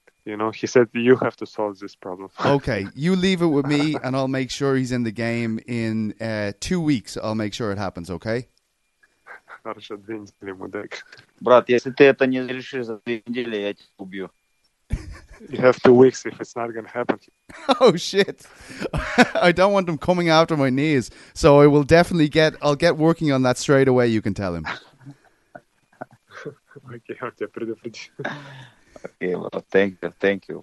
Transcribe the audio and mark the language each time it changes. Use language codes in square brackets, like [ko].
[en] You know, he said you have to solve this problem. Okay, you leave it with me, and I'll make sure he's in the game in 2 weeks. I'll make sure it happens. Okay. [ru] Хорошо, две недели, мудак. Брат, если ты это не решишь за две недели, я тебя убью. [en] You have 2 weeks if it's not going to happen. Oh, shit. I don't want them coming after my knees. So I will definitely get... I'll get working on that straight away, you can tell him. Okay, thank you.